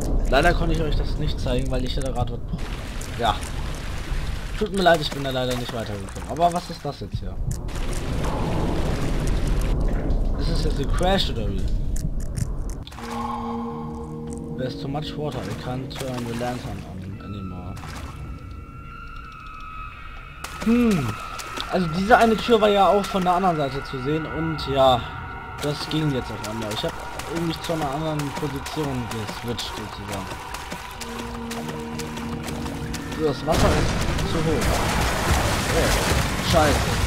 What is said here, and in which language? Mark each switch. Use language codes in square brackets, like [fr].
[de] Leider konnte ich euch das nicht zeigen, weil ich da gerade was brauche. Ja. Tut mir leid, ich bin da leider nicht weitergekommen. Aber was ist das jetzt hier? Ist es jetzt ein Crash oder wie? [en] There's too much water. I can't turn the lantern on anymore. Hm. [de] Also diese eine Tür war ja auch von der anderen Seite zu sehen und ja, das ging jetzt auf einmal. Ich habe irgendwie zu einer anderen Position geswitcht sozusagen. Das Wasser ist zu hoch. Oh, scheiße.